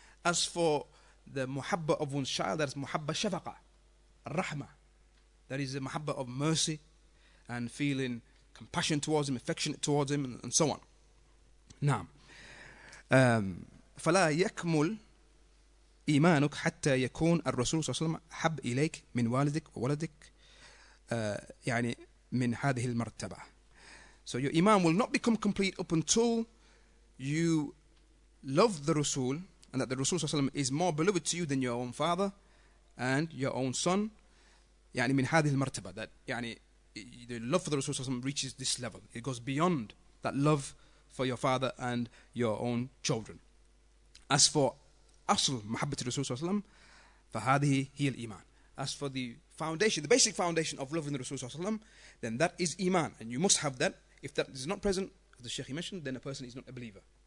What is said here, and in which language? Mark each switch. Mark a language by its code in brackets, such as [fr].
[en] As for the muhabba of one's child, that is muhabba shafaqa. Rahma, that is the mahabba of mercy and feeling compassion towards him, affectionate towards him, and so on. [ar] Naam. فلا يكمل إيمانك حتى يكون الرسول صلى الله عليه وسلم حب إليك من والدك وولدك يعني من هذه المرتبة. [en] So your iman will not become complete up until you love the Rasul, and that the Rasul صلى الله عليه وسلم is more beloved to you than your own father and your own son. [ar] يعني من هذه المرتبة, [en] that يعني the love for the Rasul reaches this level. It goes beyond that love for your father and your own children. As for [ar] أصل محبة الرسول صلى الله عليه وسلم, فهذه هي الإيمان. [en] As for the foundation, the basic foundation of loving the Rasul صلى الله عليه وسلم, then that is iman, and you must have that. If that is not present, as the Sheikh mentioned, then a person is not a believer.